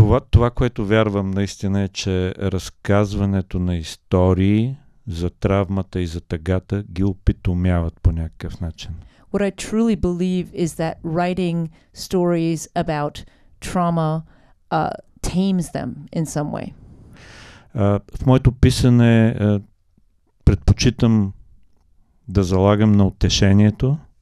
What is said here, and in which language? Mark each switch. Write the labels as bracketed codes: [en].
[bg] Това, което вярвам наистина е, че разказването на истории за травмата и за тъгата ги опитомяват по някакъв начин. [en] What I truly believe is that writing stories about trauma tames them in some way. [bg] В моето писане предпочитам да залагам на утешението.